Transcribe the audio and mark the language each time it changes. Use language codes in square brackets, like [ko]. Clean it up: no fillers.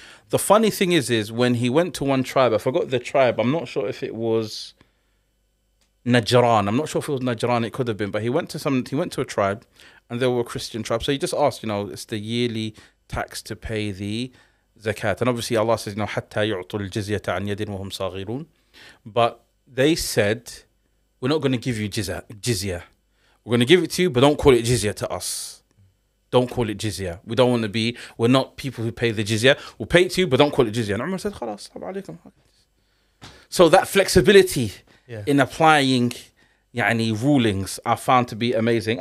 [en] The funny thing is when he went to one tribe, I forgot the tribe, I'm not sure if it was Najran. I'm not sure if it was Najran, it could have been, but he went to a tribe, and they were a Christian tribe. So he just asked, you know, it's the yearly tax to pay the zakat. And obviously Allah says, you know, [ar] حَتَّى يُعْطُوا الْجِزْيَةَ عَنْ يَدٍ وَهُمْ صَاغِرُونَ. [en] But they said, we're not going to give you jizya. We're going to give it to you, but don't call it jizya to us. Don't call it jizya. We don't want to be, we're not people who pay the jizya. We'll pay it to you, but don't call it jizya. And Umar said, khalas, salam alaykum. So that flexibility in applying yani rulings I found to be amazing.